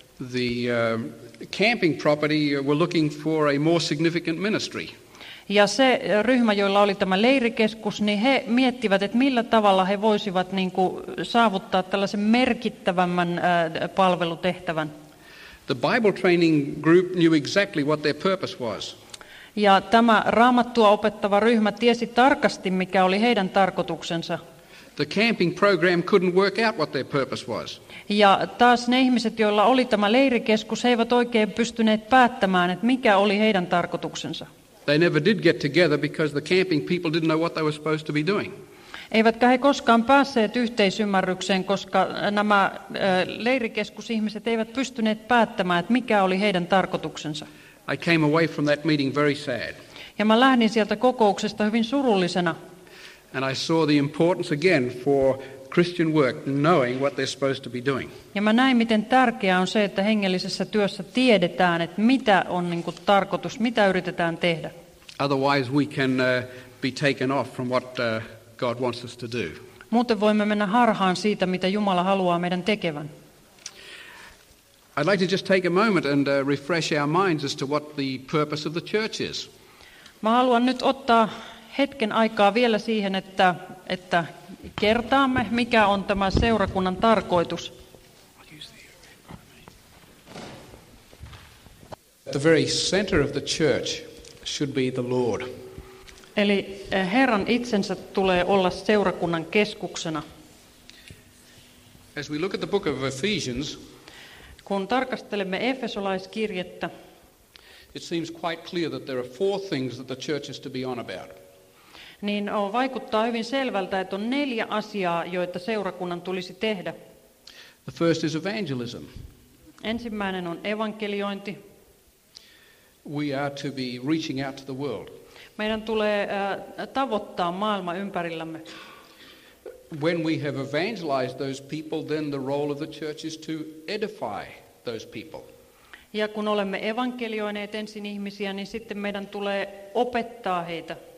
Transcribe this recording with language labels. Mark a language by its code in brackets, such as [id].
[en] The camping property were looking for a more significant ministry. [fi] Ja se ryhmä, jolla oli tämä leirikeskus, niin he miettivät, että millä tavalla he voisivat niin kuin saavuttaa tällaisen merkittävämmän palvelutehtävän. [en] The Bible training group knew exactly what their purpose was. [fi] Ja tämä raamattua opettava ryhmä tiesi tarkasti, mikä oli heidän tarkoituksensa. [en] The camping program couldn't work out what their purpose was. [fi] Ja taas ne ihmiset, joilla oli tämä leirikeskus, he eivät oikein pystyneet päättämään, että mikä oli heidän tarkoituksensa. [en] They never did get together because the camping people didn't know what they were supposed to be doing. [fi] Eivätkä he koskaan päässeet yhteisymmärrykseen, koska nämä leirikeskusihmiset eivät pystyneet päättämään, että mikä oli heidän tarkoituksensa. [en] I came away from that meeting very sad. [fi] Ja mä lähdin sieltä kokouksesta hyvin surullisena. [en] And I saw the importance again for Christian work, knowing what they're supposed to be doing. [fi] Ja mä näin, miten tärkeää on se, että hengellisessä työssä tiedetään, että mitä on niin kuin tarkoitus, mitä yritetään tehdä. [en] Otherwise we can be taken off from what God wants us to do. [fi] Muuten voimme mennä harhaan siitä, mitä Jumala haluaa meidän tekevän. [en] I'd like to just take a moment and refresh our minds as to what the purpose of the church is. [fi] Mä haluan nyt ottaa hetken aikaa vielä siihen, että kertaamme, mikä on tämä seurakunnan tarkoitus. [en] The very center of the church should be the Lord. [fi] Eli Herran itsensä tulee olla seurakunnan keskuksena. [en] As we look at the book of Ephesians, [fi] kun tarkastelemme Efesolaiskirjettä, [en] it seems quite clear that there are four things that the church is to be on about. [fi] Niin vaikuttaa hyvin selvältä, että on neljä asiaa, joita seurakunnan tulisi tehdä. [en] The first is evangelism. [fi] Ensimmäinen on evankeliointi. [en] We are to be reaching out to the world. [fi] Meidän tulee tavoittaa maailma ympärillämme. [en] When we have evangelized those people, then the role of the church is to edify those people. [fi] Ja kun olemme evankelioineet ensin ihmisiä, niin sitten meidän tulee opettaa heitä.